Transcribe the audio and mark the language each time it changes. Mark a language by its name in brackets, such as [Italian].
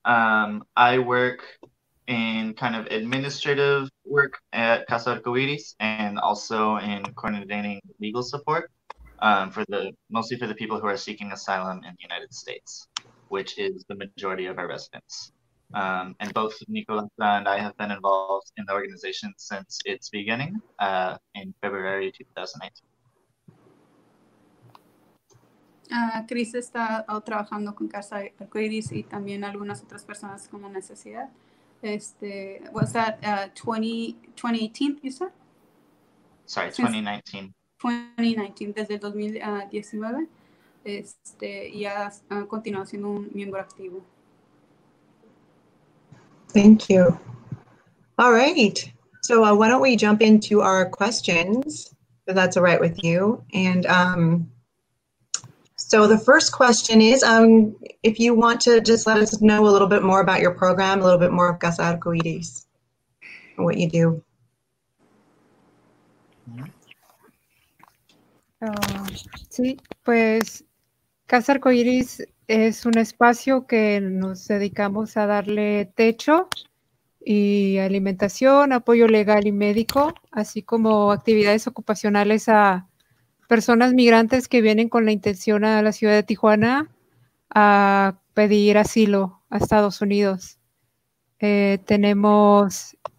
[English] I work in kind of administrative work at Casa Arcoiris and also in coordinating legal support for the people who are seeking asylum in the United States, which is the majority of our residents. And both Nicolasa and I have been involved in the organization since its beginning in February 2019. [Spanish] Chris está trabajando con Casa Arcoiris y también algunas otras personas con necesidad. [English] Was that 2018, you said? Sorry, 2019. [Spanish] Desde el 2019, y ha continuado siendo un miembro activo. [English] Thank you. All right. So why don't we jump into our questions, if that's all right with you. And so the first question is, if you want to just let us know a little bit more about your program, a little bit more of Casa Arcoiris, and what you do. [Spanish] Sí, pues Casa Arcoiris es un espacio que nos dedicamos a darle techo y alimentación, apoyo legal y médico, así como actividades ocupacionales a personas migrantes que vienen con la intención a la ciudad de Tijuana a pedir asilo a Estados Unidos. Tenemos